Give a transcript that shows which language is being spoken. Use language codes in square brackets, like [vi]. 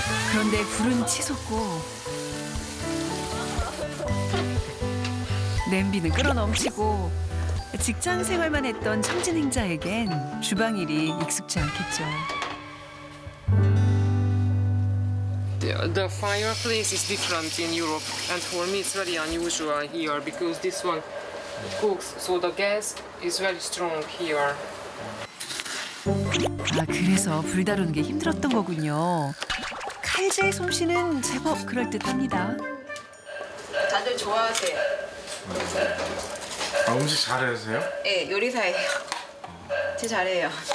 [ko] 그런데 불은 치솟고 냄비는 끓어넘치고 직장 생활만 했던 청진 행자에겐 주방 일이 익숙지 않겠죠. [en] The fireplace is different in Europe, and for me it's very unusual here because this one cooks, so the gas is very strong here. [ko] 아, 그래서 불 다루는 게 힘들었던 거군요. 칼질 솜씨는 제법 그럴듯합니다. 다들 좋아하세요. 아, 음식 잘하세요? 네, 요리사예요. 제 잘해요.